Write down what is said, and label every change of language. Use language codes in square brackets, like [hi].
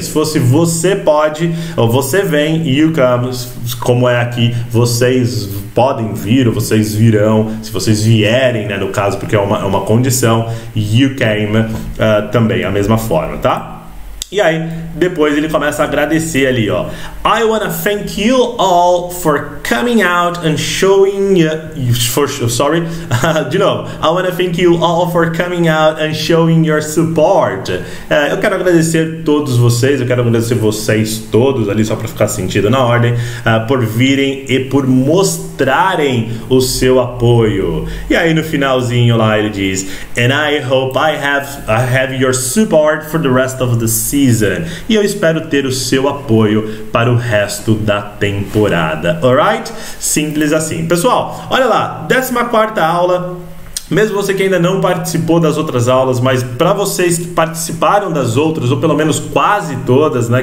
[pt] Se fosse você pode, ou você vem, [en] you come, [pt] como é aqui, vocês podem vir, ou vocês virão, se vocês vierem, né, no caso, porque é uma condição, [en] you came, [pt] também, a mesma forma, tá? E aí, depois ele começa a agradecer ali, ó. [en] I wanna thank you all for coming out and showing I wanna thank you all for coming out and showing your support. [pt] Eu quero agradecer todos vocês, eu quero agradecer vocês todos ali, só pra ficar sentido na ordem, por virem e por mostrarem o seu apoio. E aí no finalzinho lá ele diz, [en] and I hope I have your support for the rest of the season. [pt] E eu espero ter o seu apoio para o resto da temporada. Alright? Simples assim. Pessoal, olha lá, 14ª aula. Mesmo você que ainda não participou das outras aulas, mas para vocês que participaram das outras, ou pelo menos quase todas, né?